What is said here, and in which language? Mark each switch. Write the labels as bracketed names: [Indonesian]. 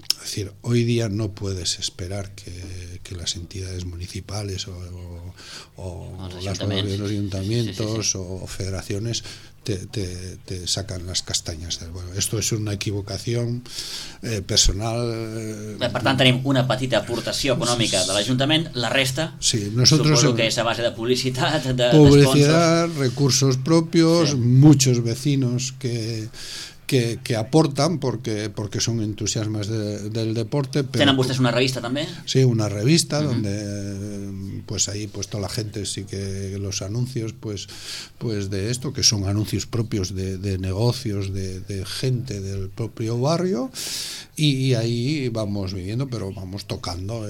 [Spanish] Es decir, hoy día no puedes esperar que las entidades municipales o los ayuntamientos. O federaciones te sacan las castañas del bueno. Esto es una equivocación personal. [Catalan] Per tant, tenim una petita aportació econòmica de l'Ajuntament, la resta, [Spanish] sí, nosotros, [Catalan] suposo que és a base de publicitat, de [Spanish] publicitat, sponsors, recursos propios, sí. Muchos vecinos que aportan porque son entusiasmas del deporte. [Catalan] Pero, ¿tenen vostès una revista también? [Spanish] Sí, una revista. Uh-huh. Donde pues ahí pues toda la gente sí que los anuncios pues de esto, que son anuncios propios de negocios de gente del propio barrio, y ahí vamos viviendo, pero vamos tocando.